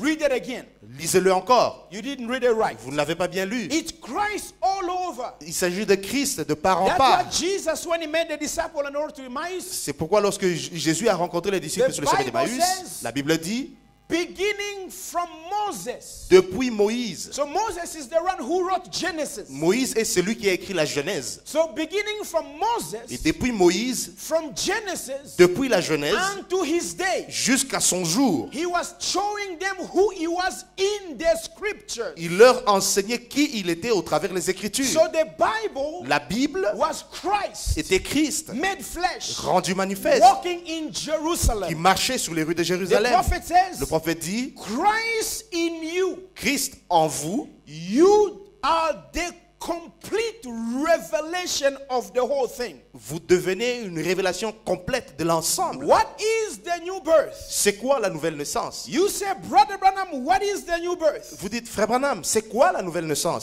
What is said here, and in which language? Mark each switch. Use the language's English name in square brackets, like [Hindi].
[English] Read it again. [French] Lisez-le encore. [English] You didn't read it right. [French] Vous ne l'avez pas bien lu. [English] It's Christ all over. [French] Il s'agit de Christ de part en part. C'est pourquoi lorsque Jésus a rencontré les disciples sur le chemin d'Emmaüs, la Bible dit, [English] beginning from Moses. [French] Depuis Moïse. [English] So Moses is the one who wrote Genesis. [French] Moïse est celui qui a écrit la Genèse. [English] So beginning from Moses. [French] Et depuis Moïse. [English] From Genesis. [French] Depuis la Genèse. [English] Unto his day. [French] Jusqu'à son jour. [English] He was showing them who he was in the scriptures. [French] Il leur enseignait qui il était au travers des Écritures. [English] So the Bible. [French] La Bible. [English] Was Christ. [French] Était Christ. [English] Made flesh. [French] Rendu manifeste. [English] Walking in Jerusalem. [French] Qui marchait sur les rues de Jérusalem. [English] The prophet says. [French] Le prophète dit, [English] Christ in you, [French] Christ en vous, [English] you are the complete revelation of the whole thing. [French] Vous devenez une révélation complète de l'ensemble. [English] What is the new birth? [French] C'est quoi la nouvelle naissance? [English] You say, Brother Branham, what is the new birth? [French] Vous dites, Frère Branham, c'est quoi la nouvelle naissance?